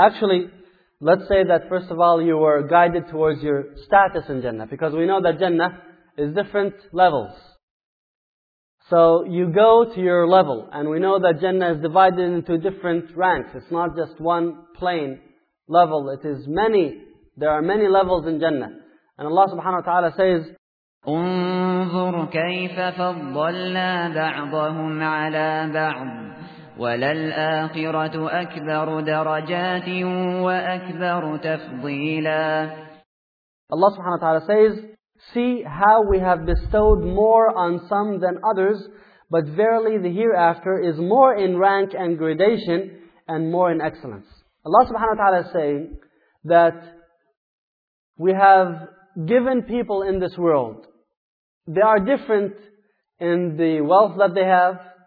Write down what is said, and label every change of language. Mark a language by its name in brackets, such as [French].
[English] Actually, let's say that first of all, you were guided towards your status in Jannah, because we know that Jannah is different levels. So you go to your level, and we know that Jannah is divided into different ranks. It's not just one plain level. It is many. There are many levels in Jannah. And Allah subhanahu wa ta'ala says, [Arabic] انظر كيف فضلنا بعضهم على بعض وللآخرة أكبر درجات وأكبر تفضيلا. [English] Allah subhanahu wa ta'ala says, see how we have bestowed more on some than others, but verily the hereafter is more in rank and gradation and more in excellence. Allah subhanahu wa ta'ala is saying that we have given people in this world, they are different in the wealth that they have.